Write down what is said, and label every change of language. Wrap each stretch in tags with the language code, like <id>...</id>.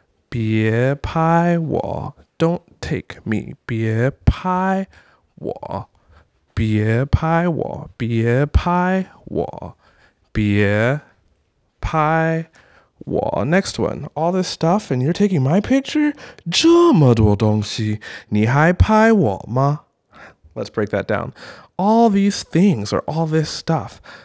<zh>Bie pai wo.</zh> <en>Don't take me.</en> <zh>Bie pai wo. Bie pai wo. Bie pai wo. Bie pai wo.</zh> <en>Next one. All this stuff and you're taking my picture?</en> <zh>这么多东西, 你还拍我吗?</zh> <en>Let's break that down. All these things or all this stuff.</en>